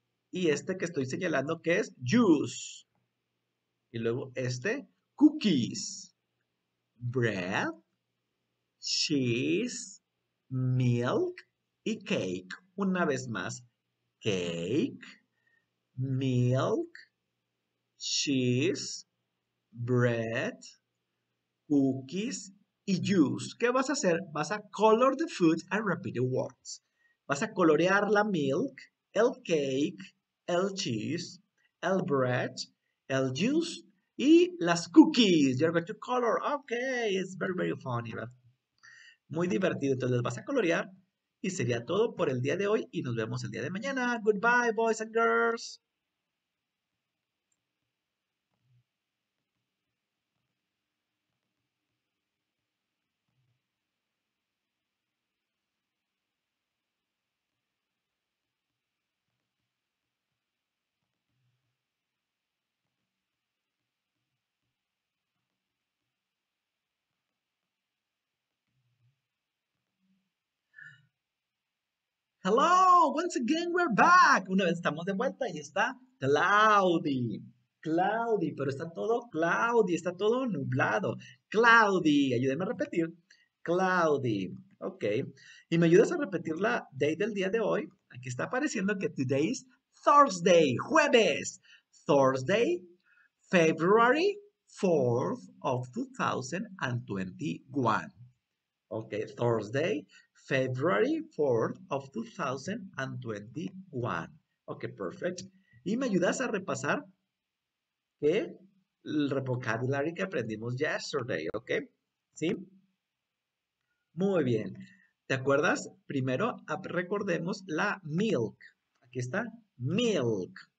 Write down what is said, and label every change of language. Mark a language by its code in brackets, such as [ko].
[es] Y este que estoy señalando que es juice. Y luego este, cookies. Bread, cheese, milk y cake. Una vez más, cake, milk, cheese, bread, cookies y juice. ¿Qué vas a hacer? Vas a [en] color the food and repeat the words. [es] Vas a colorear la milk, el cake, el cheese, el bread, el juice y las cookies. [en] You're going to color. Okay, it's very, very funny. [es] Right? Muy divertido. Entonces vas a colorear y sería todo por el día de hoy y nos vemos el día de mañana. [en] Goodbye, boys and girls. Hello, once again we're back. [es] Una vez estamos de vuelta y está cloudy. Cloudy, pero está todo cloudy, está todo nublado. Cloudy, ayúdame a repetir. Cloudy, ok. Y me ayudas a repetir la day del día de hoy. Aquí está apareciendo que [en] today is Thursday, [es] jueves. [en] Thursday, February 4th of 2021. Ok, Thursday, February 4th of 2021. Ok, perfect. [es] Y me ayudas a repasar que el vocabulary que aprendimos yesterday, ok. ¿Sí? Muy bien. ¿Te acuerdas? Primero recordemos la milk. Aquí está, milk.